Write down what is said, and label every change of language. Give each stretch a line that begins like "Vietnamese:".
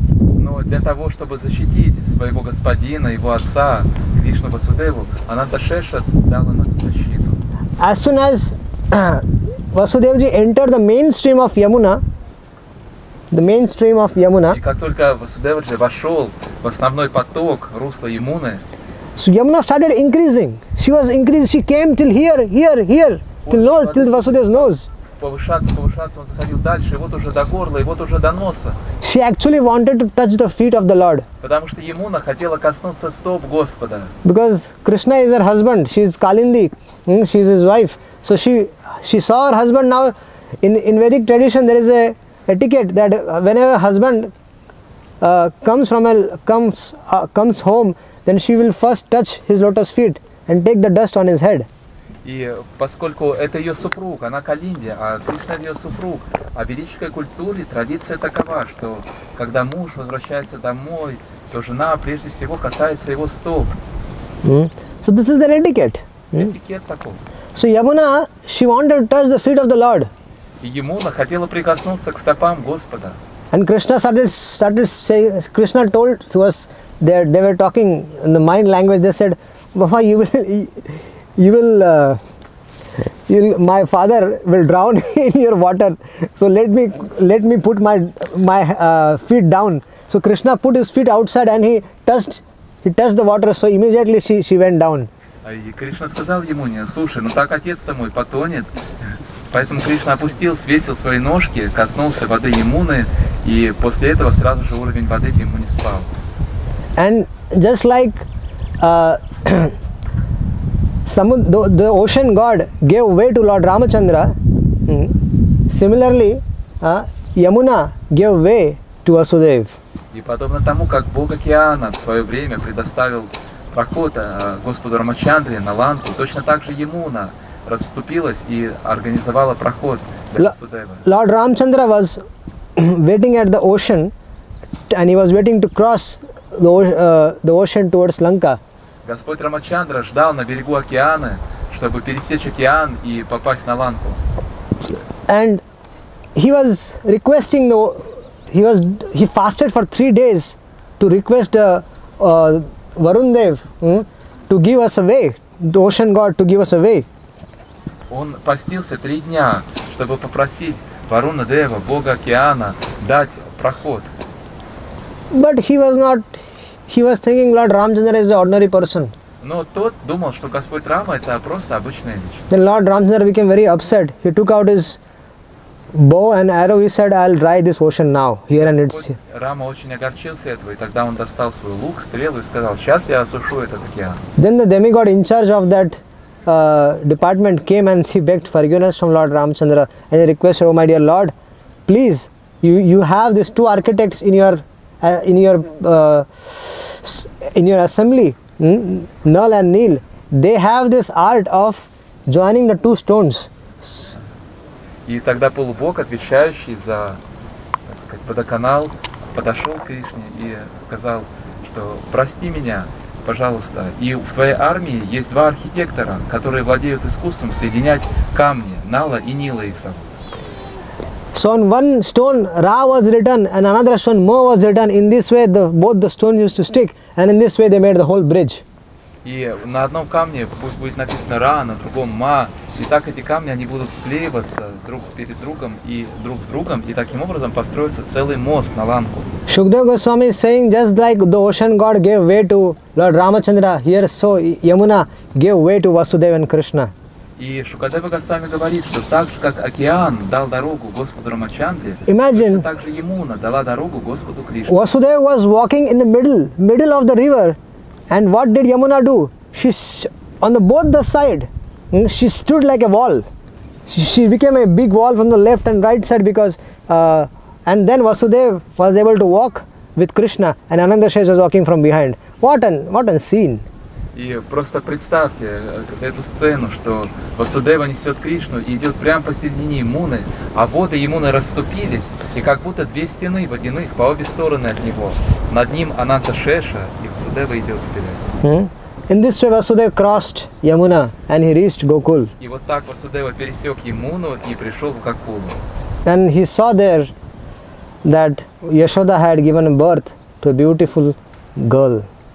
Russian: Но для того, чтобы защитить своего господина, его отца, Кришну Васудеву, Ананташеша дал ему защиту.
English: As soon as Vasudevji entered the mainstream of Yamuna,
Russian: И как только Васудевджи вошел в основной поток русла Ямуны,
English: so Yamuna started increasing. She was increasing. She came till here, till nose, till Vasudev's nose.
Russian: Повышаться, он заходил дальше, и вот уже до горла, и вот уже до носа.
English: She actually wanted to touch the feet of the Lord.
Russian: Потому что Ямуна хотела коснуться стоп Господа.
English: Because Krishna is her husband. She is Kalindi. She is his wife. So she saw her husband now. In Vedic tradition, there is a etiquette that whenever husband comes home, then she will first touch his lotus feet and take the dust on his head.
Russian: И поскольку это ее супруг, она Калинди, а Кришна ее супруг, а в ведической культуре традиция такова, что когда муж возвращается домой, то жена прежде всего касается его стоп.
English: So this is an etiquette.
Russian: Этикет такой.
English: So Yamuna, she wanted to touch the feet of the Lord.
Russian: И Ямуна хотела прикоснуться к стопам Господа.
English: And Krishna started saying, Krishna told to us, they were talking in the mind language, they said, Baba, my father will drown in your water, so let me put my feet down. So Krishna put his feet outside and he touched the water, so immediately she went down.
Russian: И Кришна сказал ему, слушай, ну так отец-то мой потонет. Поэтому Кришна опустил, свесил свои ножки, коснулся воды Ямуны, и после этого сразу же уровень воды в Ямуне спал.
English: And just like the ocean god gave way to Lord Ramachandra, similarly, Yamuna gave way to Vasudev.
Russian: И подобно тому, как бог океана в свое время предоставил проход Господу Рамачандре на Ланку, точно так же Ямуна расступилась и организовала проход для Васудевы.
English: Lord Ramchandra was waiting at the ocean and he was waiting to cross the ocean towards Lanka.
Russian: Господь Рамачандра ждал на берегу океана, чтобы пересечь океан и попасть на Ланку.
English: And he fasted for 3 days to request Varundev to give us a way, the ocean god to give us a way.
Russian: Он постился 3 дня, чтобы попросить Варунадева, бога океана, дать проход.
English: But he was thinking Lord Ramchandra is an ordinary person.
Russian: Но тот думал, что Господь Рама это просто обычная вещь.
English: Then Lord Ramchandra became very upset. He took out his bow and arrow. He said, I'll dry this ocean now, here and it's here.
Russian: Рама очень огорчился этого, и тогда он достал свой лук, стрелу и сказал, сейчас я осушу этот океан.
English: Then the demigod in charge of that department came and he begged forgiveness from Lord Ramchandra and he requested, oh my dear Lord, please you have these two architects in your assembly, Nal and Neel. They have this art of joining the two stones.
Russian: И тогда полубог, отвечающий за, так сказать, водоканал, подошел к Кришне и сказал, что прости меня, пожалуйста. И в твоей армии есть два архитектора, которые владеют искусством соединять камни, Нала и Нила их сам.
English: So on one stone Ra was written and another stone Mo was written. In this way the both the stones used to stick and in this way they made the whole bridge.
Russian: И на одном камне будет написано Ра, на другом Ма. И так эти камни они будут склеиваться друг перед другом и друг с другом, и таким образом построится целый мост на Ланку.
English: Shukdev Goswami is saying just like the ocean god gave way to Lord Ramachandra, here so Yamuna gave way to Vasudeva and Krishna.
Russian: И Шукадева Госвами говорит, что так же как океан дал дорогу Господу Рамачандре,
English: imagine,
Russian: так же Ямуна дала дорогу Господу Кришне.
English: Vasudeva was walking in the middle of the river, and what did Yamuna do? She's on the both the side. She stood like a wall. She became a big wall from the left and right side because and then Vasudev was able to walk with Krishna and Anandashesh was walking from behind. What a scene.
Russian: И просто представьте эту сцену, что Васудева несет Кришну и идет прямо посередине Ямуны, а воды Ямуны расступились, и как будто две стены водяных по обе стороны от него. Над ним Ананташеша, и Васудева идет вперед.
English: In this way, Vasudeva crossed Yamuna and he reached Gokul.
Russian: И вот так Васудева пересек Ямуну и пришел в Гокулу.
English: And he saw there that Yashoda had given birth to a beautiful girl.